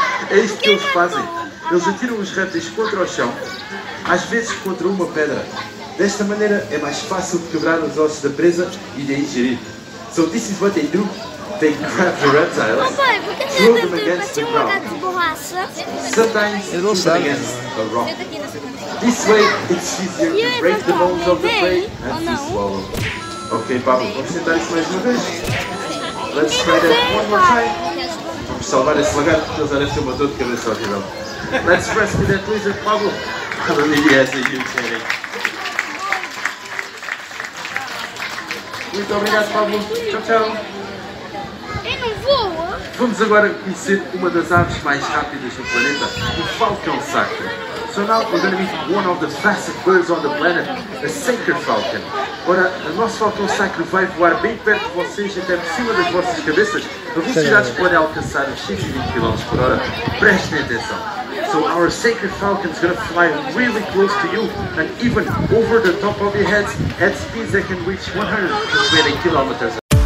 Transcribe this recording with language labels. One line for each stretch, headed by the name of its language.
Portuguese: É isto que eles fazem. Eles atiram os répteis contra o chão, às vezes contra uma pedra. Desta maneira é mais fácil de quebrar os ossos da presa e de ingerir.
English: So this is what they do. They grab the reptiles, throw them against the ground. Sometimes throw them against a rock. This way it's easier to break the bones of the prey and to swallow.
Portuguese: Ok, Pablo, vamos tentar isso mais uma vez.
English: Let's try that one more time.
Portuguese: Vamos salvar esse lagarto porque eles devem ter uma dor de cabeça horrível.
English: Let's rescue that lizard, Pablo. I don't need you as a huge headache.
Portuguese: Muito obrigado, Pablo. Tchau, tchau. Eu não vou. Vamos agora conhecer uma das aves mais rápidas do planeta, o falcão sacro.
English: So now we're going to meet one of the fastest birds on the planet, a sacred falcon.
Portuguese: Ora, o nosso falcão sacro vai voar bem perto de vocês, até por cima das vossas cabeças, a velocidade que podem alcançar os 120 km/h. Prestem atenção.
English: So our sacred falcon is going to fly really close to you, and even over the top of your heads, at speeds that can reach 120 km/h.